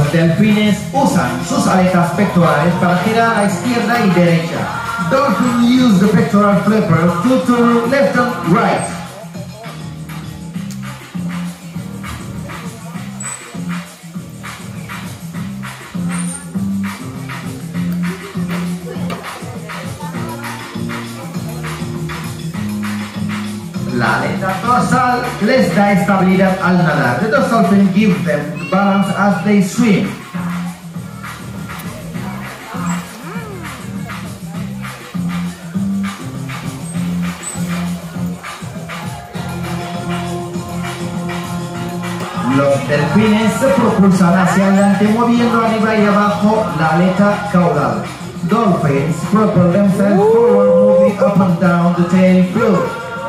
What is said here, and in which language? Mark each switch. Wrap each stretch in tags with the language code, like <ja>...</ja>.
<es>Los delfines usan sus aletas pectorales para girar a izquierda y derecha.</es> <en>Dolphins use the pectoral flippers to turn left and right.</en> <es>La aleta dorsal les da estabilidad al nadar.</es> <en>The dolphins give them balance as they swim.</en> <es>Los delfines se propulsan hacia adelante moviendo arriba y abajo la aleta caudal.</es> <en>Dolphins propel themselves forward moving up and down the tail fluke.</en>